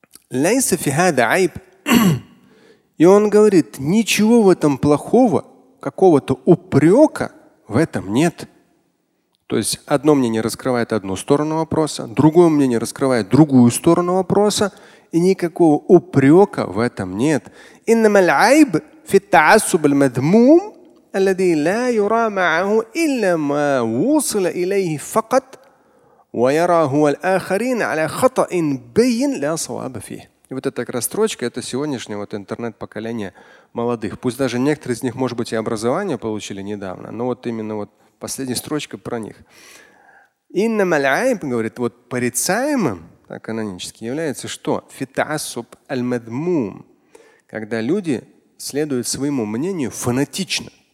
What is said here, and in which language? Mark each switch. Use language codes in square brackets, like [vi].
[ar] Ляйса фихада айб. [ru] И он говорит, ничего в этом плохого, какого-то упрека в этом нет. То есть одно мнение раскрывает одну сторону вопроса, другое мнение раскрывает другую сторону вопроса, и никакого упрека в этом нет. [ar] Иннама ляйб фи таассуб аль-мадмум الذي لا يرى معه إلا ما وصل إليه فقط ويرى هو الآخرين على خطأ بين لا صواب فيه. [ru] И вот эта как раз строчка, это сегодняшнее вот интернет-поколение молодых. Пусть даже некоторые из них, может быть, и образование получили недавно, но вот именно вот последняя строчка про них. [ar] إنما العيب, [ru] говорит, вот порицаемым так канонически является что? [ar] في تعصب المذموم, [ru] когда люди следуют своему мнению фанатично.